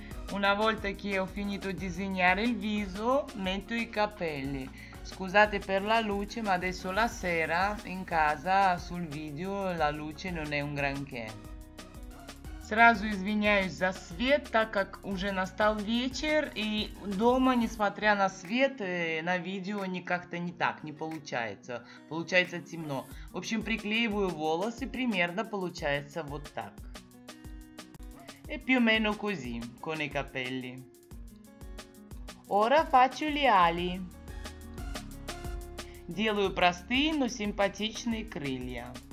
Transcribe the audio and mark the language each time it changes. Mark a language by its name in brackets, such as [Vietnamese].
[Italian] Una volta che ho finito di disegnare il viso, metto i capelli. Scusate per la luce, ma adesso la sera in casa sul video la luce non è un granché. [Russian] Сразу извиняюсь за свет, так как уже настал вечер, и дома, несмотря на свет, на видео как-то не так, не получается. Получается темно. В общем, приклеиваю волосы, примерно получается вот так. [Italian] E più o meno così, con i capelli. Ora faccio le ali. [Russian] Делаю простые, но симпатичные крылья.